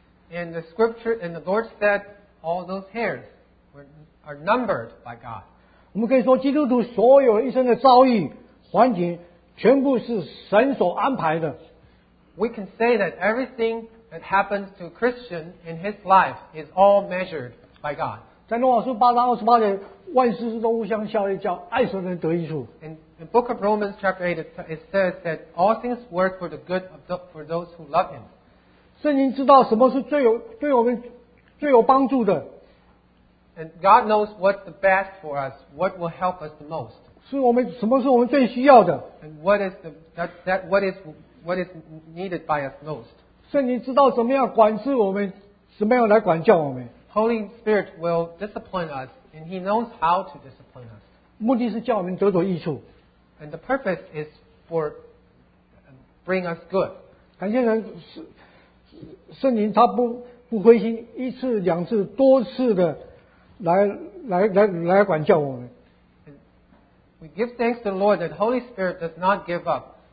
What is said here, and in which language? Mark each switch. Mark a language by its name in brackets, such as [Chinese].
[English] And the scripture and the Lord said all those hairs are numbered by God. [Chinese] 我们可以说，基督徒所有一生的遭遇、环境，全部是神所安排的。 [English] We can say that everything that happens to a Christian in his life is all measured by God. [Chinese] 在罗马书8章28节，万事都互相效力，叫爱神的人得益处。 [English] In the book of Romans chapter 8, it says that all things work for the good of for those who love him. [Chinese] 圣经知道什么是对我们最有帮助的。 [English] And God knows what's the best for us, what will help us the most. [Chinese] 是我们什么是我们最需要的。 [English] And what is needed by us most. [Chinese] 圣经知道怎么样管制我们，怎么样来管教我们。 [English] Holy Spirit will discipline us, and He knows how to discipline us. [Chinese] 目的是叫我们得着益处。 [English] And the purpose is for bring us good. [Chinese] 感谢神，圣灵他不灰心，一次、两次、多次的来管教我们。 [English] We give thanks to the Lord that Holy Spirit does not give up.